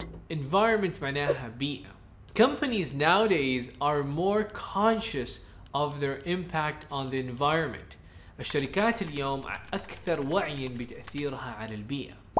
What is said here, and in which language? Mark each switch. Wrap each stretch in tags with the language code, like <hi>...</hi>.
<ar>Environment معناها بيئة.</ar> <en>Companies nowadays are more conscious of their impact on the environment.</en> <ar>الشركات اليوم أكثر وعياً بتأثيرها على البيئة.</ar>